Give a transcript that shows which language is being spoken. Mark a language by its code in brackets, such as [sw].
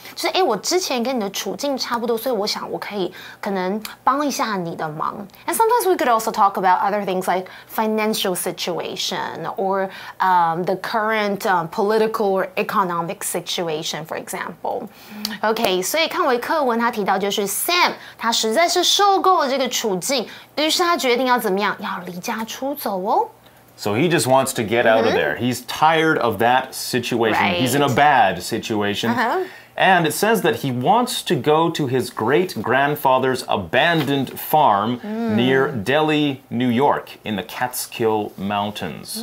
[zh] 就是我之前跟你的处境差不多，所以我想我可以可能帮一下你的忙。 [en] And sometimes we could also talk about other things like financial situation or the current political or economic situation, for example. [zh] Okay, 所以看回课文，他提到就是 Sam 他实在是受够了这个处境，于是他决定要怎么样，要离家出走哦。 [en] So he just wants to get out of there. He's tired of that situation. Right. He's in a bad situation. And it says that he wants to go to his great-grandfather's abandoned farm near Delhi, New York, in the Catskill Mountains.